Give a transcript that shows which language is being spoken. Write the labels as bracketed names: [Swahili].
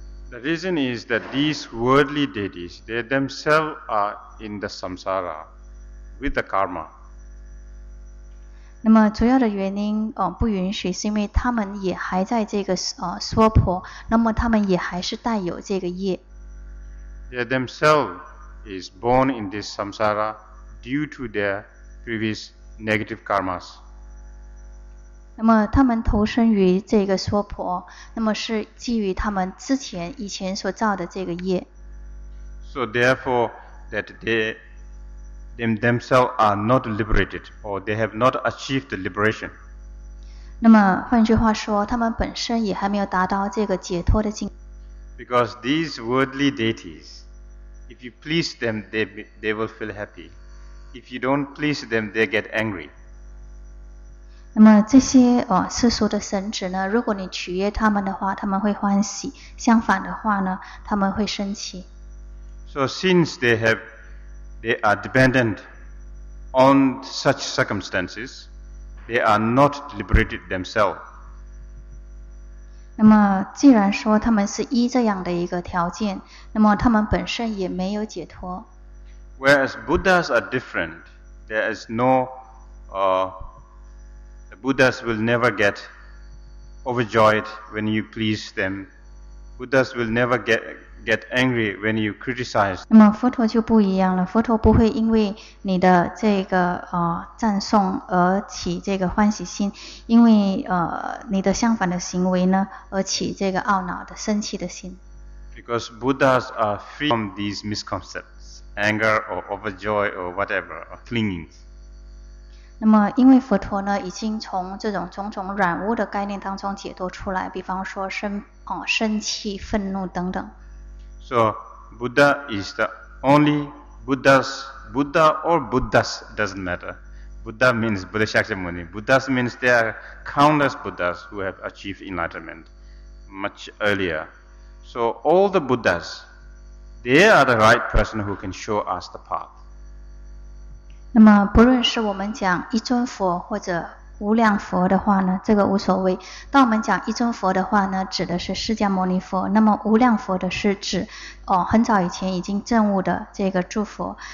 [English] The reason is that these worldly deities, they themselves are in the samsara with the karma. [Chinese] 那么主要的原因不允许，是因为他们也还在这个娑婆，那么他们也还是带有这个业。 [English] They themselves is born in this samsara due to their previous negative karmas. [Chinese] 那么他们投身于这个娑婆，那么是基于他们之前以前所造的这个业。 [English] So therefore, that they themselves are not liberated, or they have not achieved the liberation. [Chinese] 那么换句话说，他们本身也还没有达到这个解脱的境。 [English] Because these worldly deities, if you please them, they will feel happy. If you don't please them, they get angry. [Chinese] 那么这些世俗的神职呢，如果你取悦他们的话，他们会欢喜，相反的话呢，他们会生气。 [English] So since they are dependent on such circumstances, they are not liberated themselves. [Chinese] 那么既然说他们是依这样的一个条件，那么他们本身也没有解脱。 [English] Whereas Buddhas are different, there is no, Buddhas will never get overjoyed when you please them Buddhas will never get angry when you criticize. [Chinese] 那么佛陀就不一样了，佛陀不会因为你的这个赞颂而起这个欢喜心，因为你的相反的行为呢而起这个懊恼的生气的心。 [English] Because Buddhas are free from these misconceptions, anger or overjoy or whatever, or clinging. [Chinese] 那么因为佛陀呢已经从这种种种染污的概念当中解脱出来，比方说生气、愤怒等等。 [English] So Buddha is the only Buddha or Buddhas doesn't matter. Buddha means Buddha Shakyamuni. Buddhas means there are countless Buddhas who have achieved enlightenment much earlier. So all the Buddhas, they are the right person who can show us the path. [Chinese] 那么不论是我们讲一尊佛或者无量佛的话呢，这个无所谓。当我们讲一尊佛的话呢，指的是释迦牟尼佛。那么无量佛的是指很早以前已经证悟的这个诸佛。